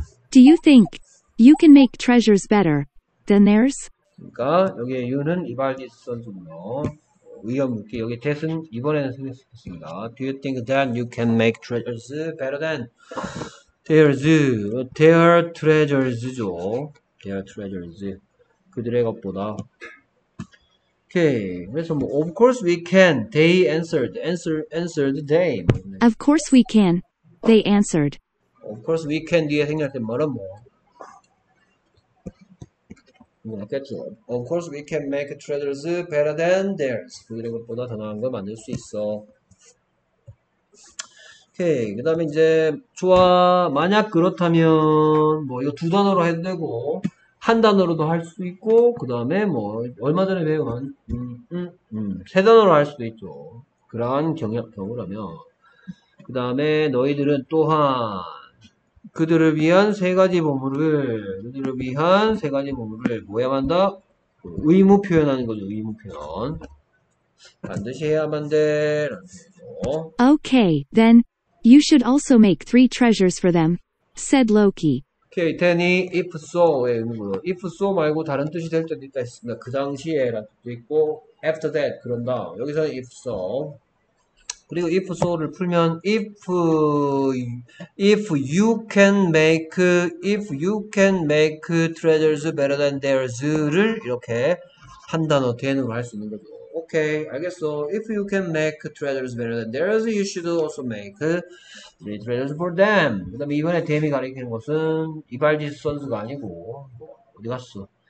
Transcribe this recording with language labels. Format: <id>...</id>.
<en>Do you think you can make treasures better than theirs?</en> <ko>그러니까 여기에 you는 이발디스 선수고요. 의견 묻기 여기 that은 이번에는 생략시켰습니다.</ko> <en>Do you think that you can make treasures better than theirs? Their treasures죠. Their treasures.</en> <ko>그들의 것보다. 오케이. 그래서 뭐</ko> <en>of course we can. They answered. Answered they. Of course we can, they answered. Of course we can</en> <ko>뒤에 생략된 말은 뭐? 맞겠죠.</ko> <en>Of course we can make treasures better than theirs.</en> <ko>그들의 것보다 더 나은 걸 만들 수 있어. 오케이. 그 다음에 이제 좋아. 만약 그렇다면 뭐 이거 두 단어로 해도 되고 한 단어로도 할수 있고 그 다음에 뭐 얼마 전에 배운 세 단어로 할 수도 있죠. 그러한 경우라면 그 다음에 너희들은 또한 그들을 위한 세 가지 보물을, 그들을 위한 세 가지 보물을 모여야만 한다? 의무 표현하는 거죠, 의무 표현. 반드시 해야만 돼, 라는 거죠.</ko> <en>Okay, then you should also make three treasures for them, said Loki.</en> <ko>Okay, Danny, if so의 의무로. If so 말고 다른 뜻이 될 때도 있다 했습니다. 그 당시에 라는 뜻도 있고, after that, 그런 다음. 여기서는 if so. 그리고 if so를 풀면</ko> <en>if you can make treasures better than theirs</en> <ko>를 이렇게 한 단어 대응을 할수 있는 거죠. 오케이, 알겠어.</ko> <en>If you can make treasures better than theirs, you should also make three treasures for them.</en> <ko>그다음에 이번에 데미 가리키는 것은 이발디스 선수가 아니고 뭐 어디 갔어?</ko>